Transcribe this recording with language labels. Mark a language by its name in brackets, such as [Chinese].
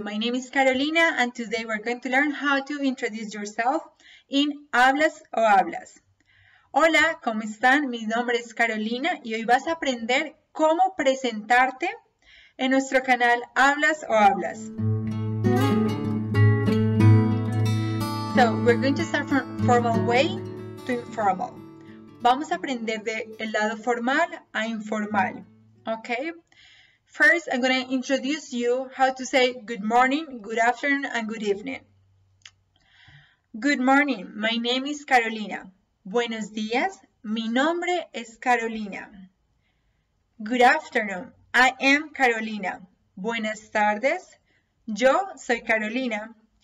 [English] My name is Carolina and today we're going to learn how to introduce yourself in Hablas o Hablas. [Spanish] Hola, ¿cómo están? Mi nombre es Carolina y hoy vas a aprender cómo presentarte en nuestro canal Hablas o Hablas. [English] So, we're going to start from formal way to informal. [Spanish] Vamos a aprender del lado formal a informal, ¿ok? [English] First, I'm going to introduce you how to say good morning, good afternoon, and good evening. Good morning, my name is Carolina. [Spanish] Buenos días, mi nombre es Carolina. [English] Good afternoon, I am Carolina. [Spanish] Buenas tardes, yo soy Carolina.